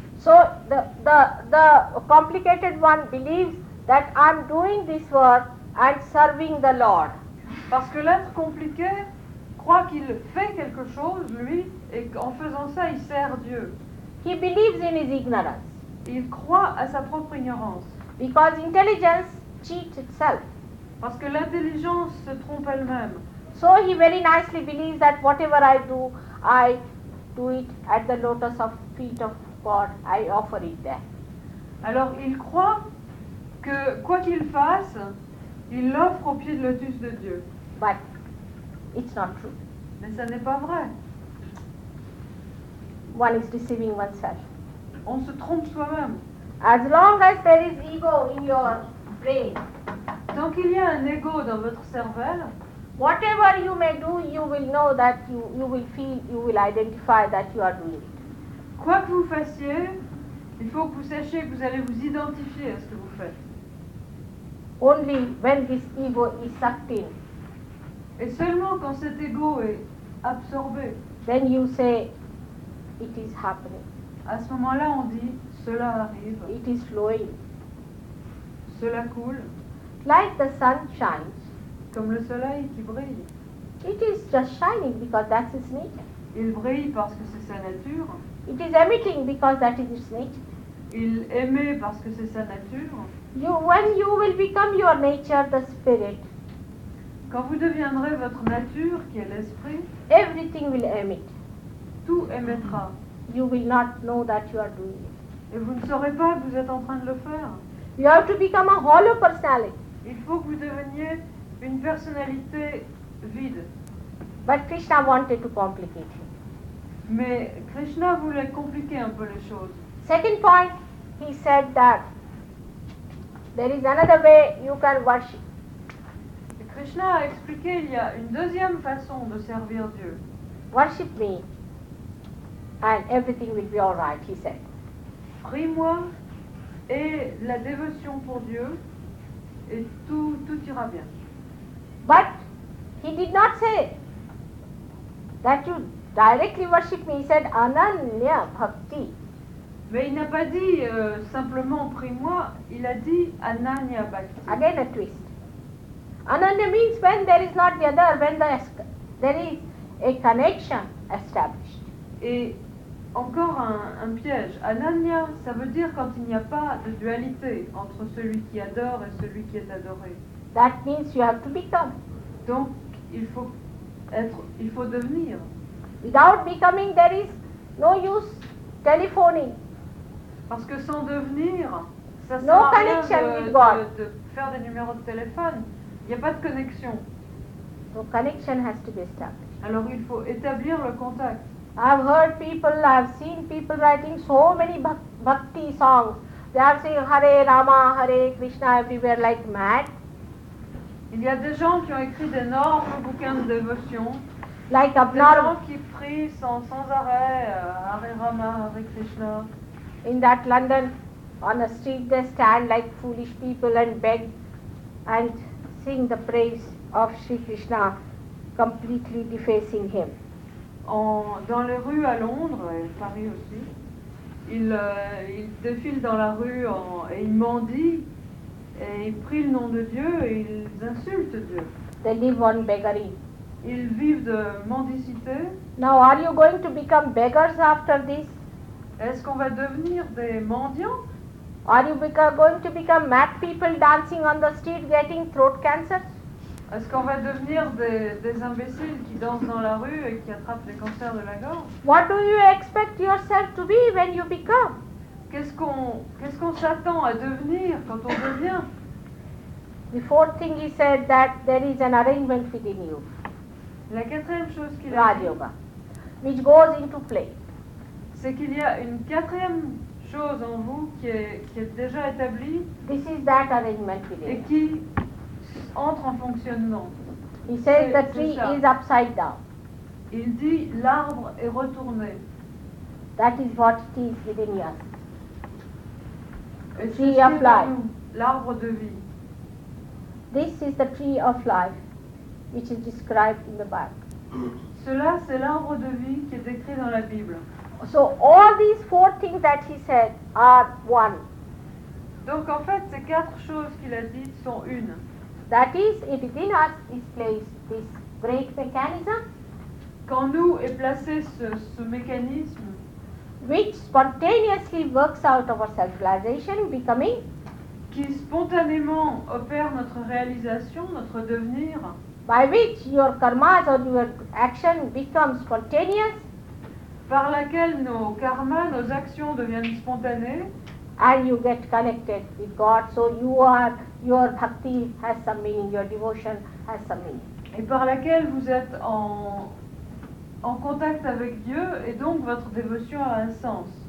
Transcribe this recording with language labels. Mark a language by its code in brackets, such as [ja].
[en] So the complicated one believes that I'm doing this work and serving the Lord. [fr] Parce que l'être compliqué croit qu'il fait quelque chose, lui, et qu'en faisant ça, il sert Dieu. [en] He believes in his ignorance. [fr] Il croit à sa propre ignorance. [en] Because intelligence cheats itself. [fr] Parce que l'intelligence se trompe elle-même. [en] So he very nicely believes that whatever I do it at the lotus of feet of God, I offer it there. [fr] Alors il croit que quoi qu'il fasse, il l'offre au pied de lotus de Dieu. [en] But it's not true. [fr] Mais ça n'est pas vrai. [en] One is deceiving oneself. [fr] On se trompe soi-même. [en] As long as there is ego in your brain. [fr] Tant qu'il y a un ego dans votre cervelle, [en] whatever you may do, you will know that you will feel, you will identify that you are doing it. [fr] Quoi que vous fassiez, il faut que vous sachiez que vous allez vous identifier à ce que vous faites. [en] Only when this ego is sucked in. [fr] Et seulement quand cet ego est absorbé. [en] Then you say, it is happening. [fr] À ce moment-là, on dit, cela arrive. [en] It is flowing. [fr] Cela coule. [en] Like the sun shines. [fr] Comme le soleil qui brille. [en] It is just shining because that's its nature. [fr] Il brille parce que c'est sa nature. [en] It is emitting because that is its nature. [fr] Il émet parce que c'est sa nature. [en] When you will become your nature, the spirit. [fr] Quand vous deviendrez votre nature, qui est l'esprit. [en] Everything will emit. [fr] Tout émettra. [en] You will not know that you are doing it. [fr] Et vous ne saurez pas que vous êtes en train de le faire. [en] You have to become a hollow personality. [fr] Il faut que vous deveniez une personnalité vide. [en] But Krishna wanted to complicate it. [fr] Mais Krishna voulait compliquer un peu les choses. [en] Second point, he said that there is another way you can worship. [fr] Et Krishna a expliqué il y a une deuxième façon de servir Dieu. [en] Worship me and everything will be all right, he said. [fr] Prie-moi et la dévotion pour Dieu et tout ira bien. [en] But he did not say that you directly worship me. He said ananya bhakti. [fr] Mais il n'a pas dit simplement prie-moi. Il a dit ananya bhakti. [en] Again a twist. Ananya means when there is not the other, when there is a connection established. [fr] Et encore un piège. Ananya, ça veut dire quand il n'y a pas de dualité entre celui qui adore et celui qui est adoré. [en] That means you have to become. [fr] Donc, il faut devenir. [en] Without becoming, there is no use telephoning. [fr] Parce que sans devenir, ça [en] no [fr] sert [en] connection [fr] à rien [en] with God. [fr] De faire des numéros de téléphone. Il n'y a pas de connexion. [en] So connection has to be established. [fr] Alors il faut établir le contact. [en] I've heard people, I've seen people writing so many bhakti songs. They are saying Hare Rama, Hare Krishna everywhere like mad. [fr] Il y a des gens qui ont écrit d'énormes bouquins de dévotion. [en] Like [fr] abnormal. Des gens qui prient sans arrêt Hare Rama, Hare Krishna. [en] In that London, on the street they stand like foolish people and beg and sing the praise of Sri Krishna, completely defacing him. [fr] Dans les rues à Londres et Paris aussi, ils défilent dans la rue et ils mendient et ils prient le nom de Dieu et ils insultent Dieu. [en] They live on beggary. [fr] Ils vivent de mendicité. [en] Now are you going to become beggars after this? [fr] Est-ce qu'on va devenir des mendiants? [en] Are you going to become mad people dancing on the street getting throat cancer? [fr] Est-ce qu'on va devenir des imbéciles qui dansent dans la rue et qui attrapent les cancers de la gorge? [en] What do you expect yourself to be when you become? [fr] Qu'est-ce qu'on s'attend à devenir quand on devient? [en] The fourth thing he said that there is an arrangement within you. [fr] La quatrième chose qu'il a dit, [en] which goes into play. [fr] C'est qu'il y a une quatrième chose en vous qui est déjà établie. [en] This is that arrangement within. [fr] Et qui entre en fonctionnement. [en] He says the tree is upside down. [fr] Il dit l'arbre est retourné. [en] That is what it is within us. The tree of life. [fr] L'arbre de vie. [en] This is the tree of life, which is described in the Bible. [fr] Cela c'est l'arbre de vie qui est décrit dans la Bible. [en] So all these four things that he said are one. [fr] Donc en fait ces quatre choses qu'il a dites sont une. [en] That is, it within us is placed this great mechanism. [fr] Quand nous est placé ce mécanisme, [en] which spontaneously works out our self-realization, becoming. [fr] Qui spontanément opère notre réalisation, notre devenir. [en] By which your karmas or your action become spontaneous. [fr] Par laquelle nos karmas, nos actions deviennent spontanées. [en] And you get connected with God, so you are. Your bhakti has some meaning, your devotion has some meaning. [fr] Et par laquelle vous êtes en contact avec Dieu et donc votre dévotion a un sens.